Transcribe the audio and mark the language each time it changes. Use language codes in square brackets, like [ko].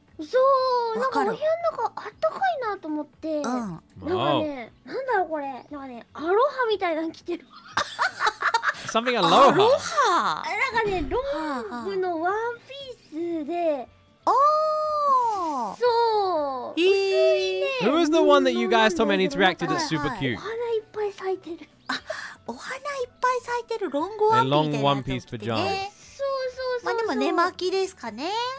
[ja] そう、なんかお部屋の中あったかいなと思って、なんかね、なんだろうこれ、なんかね、アロハみたいなの着てる。 [en] Something aloha。 [ja] アロハ。なんかね、ロングのワンピースで、おー、そう、薄いね。 [en] Who is the one that you guys told me I need to react to that's super cute? [ja] お花いっぱい咲いてる。お花いっぱい咲いてるロングワンピースみたいなやつを着てね。 [en] A long one piece pajamas。 [ja] そうそうそうそう。まあでも寝巻きですかね。